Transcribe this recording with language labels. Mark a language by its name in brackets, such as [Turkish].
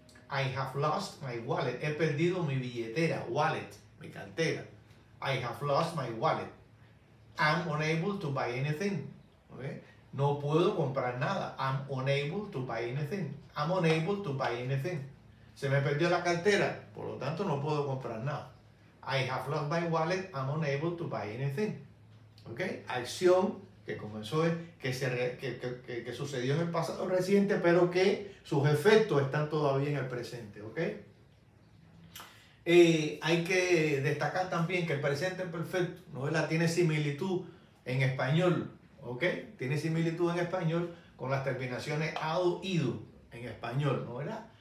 [English] I have lost my wallet. [Spanish] He perdido mi billetera, [English] wallet, [Spanish] mi cartera. [English] I have lost my wallet. I'm unable to buy anything. ¿Okay? [Spanish] No puedo comprar nada. [English] I'm unable to buy anything. I'm unable to buy anything. [Spanish] Se me perdió la cartera, por lo tanto no puedo comprar nada. [English] I have lost my wallet, I'm unable to buy anything. ¿Ok? [Spanish] Acción que comenzó, que sucedió en el pasado reciente, pero que sus efectos están todavía en el presente. ¿Ok? Hay que destacar también que el presente perfecto, ¿no? Tiene similitud en español. ¿Ok? Tiene similitud en español con las terminaciones ado, ido en español. ¿No? ¿Verdad?